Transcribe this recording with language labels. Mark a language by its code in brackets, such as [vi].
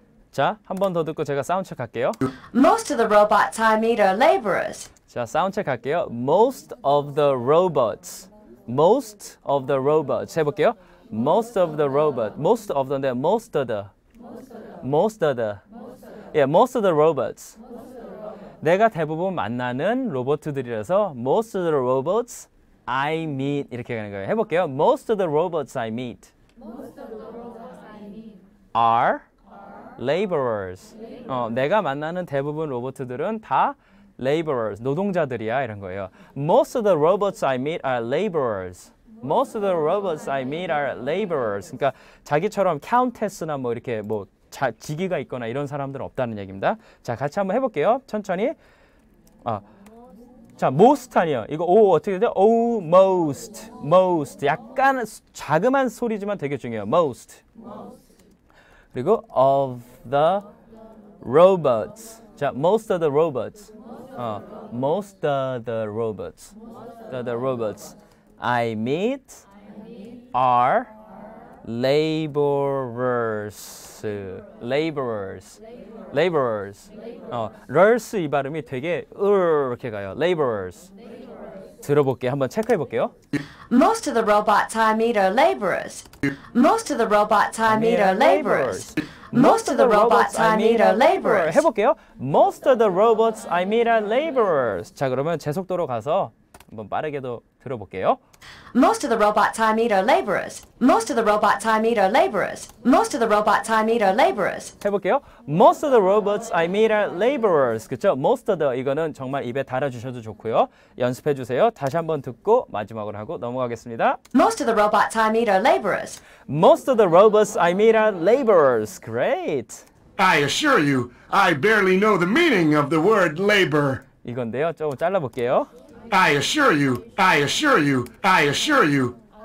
[ko] 자, 한 번 더 듣고 제가 사운드 체크 할게요. [en] Most of the robots I meet are laborers. [ko] 자, 사운드 체크 할게요. [en] Most of the robots. Most of the robots. [ko] 해볼게요. [en] Most of the robots. Most of them. Most of the. Most of the. Yeah, most of the robots. [ko] 내가 대부분 만나는 로봇들이라서 [en] most of the robots I meet [ko] 이렇게 하는 거예요. 해볼게요. [en] Most of the robots I meet, most of the robots I meet are laborers. [ko] 내가 만나는 대부분 로봇들은 다 laborers, 노동자들이야 이런 거예요. [en] Most of the robots I meet are laborers. Most of the Most of the robots I meet are laborers. [ko] 그러니까 자기처럼 countess나 뭐 이렇게 뭐 직위가 있거나 이런 사람들은 없다는 얘기입니다. 자, 같이 한번 해볼게요. 천천히. 아, 자, most 아니요. 이거 오 어떻게 돼요? [en] 오, most, most. [ko] 약간 자그만 소리지만 되게 중요해요. [en] Most. Most. 그리고 of the robots. 자, most of the robots. Most of the robots. The robots. I meet, I meet are laborers. Laborers. Laborers. Laborers. [ko] 이 발음이 되게 이렇게 가요. [en] Laborers. Laborers. [ko] 들어볼게요. 한번 체크해 볼게요. [en] Most of the robots I meet are laborers. Most of the robots I meet are laborers. Most of the robots I meet are laborers. [ko] 해볼게요. [en] Most of the robots I meet are laborers. [ko] 자, 그러면 제속도로 가서 한번 빠르게도 들어볼게요. [en] Most of the robots I meet are laborers. Most of the robots I meet are laborers. Most of the robots I meet are laborers. [ko] 해볼게요. [en] Most of the robots I meet are laborers. [ko] 그렇죠? [en] Most of the [ko] 이거는 정말 입에 달아주셔도 좋고요. 연습해 주세요. 다시 한번 듣고 마지막으로 하고 넘어가겠습니다. [en] Most of the robots I meet are laborers. Most of the robots I meet are laborers. Great. I assure you, I barely know the meaning of the word labor. [ko] 이건데요. 조금 잘라볼게요. [en] I assure you, I assure you, I assure you.